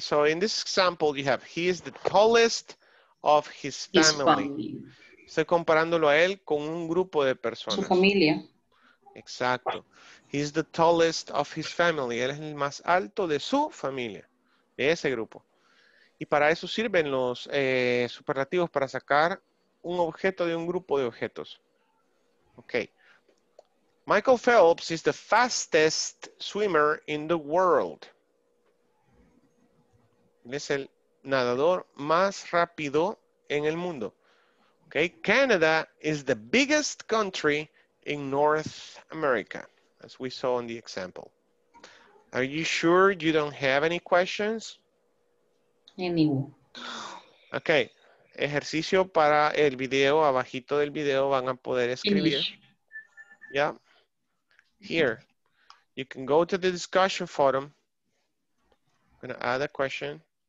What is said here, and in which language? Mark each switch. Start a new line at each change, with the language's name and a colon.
English: So in this example, you have he is the tallest of his family.
Spanish: Estoy comparándolo a él con un grupo de personas. Su familia. Exacto.
English: He is the tallest of his family.
Spanish: Él es el más alto de su familia, de ese grupo. Y para eso sirven los superlativos, para sacar un objeto de un grupo de objetos. Ok.
English: Michael Phelps is the fastest swimmer in the world.
Spanish: Es el nadador más rápido en el mundo. Ok.
English: Canada is the biggest country in North America, as we saw in the example. Are you sure you don't have any questions? Anyone.
Spanish: Okay, ejercicio para el video, abajito del video van a poder escribir.
English: English. Yeah, here, you can go to the discussion forum. I'm gonna add a question.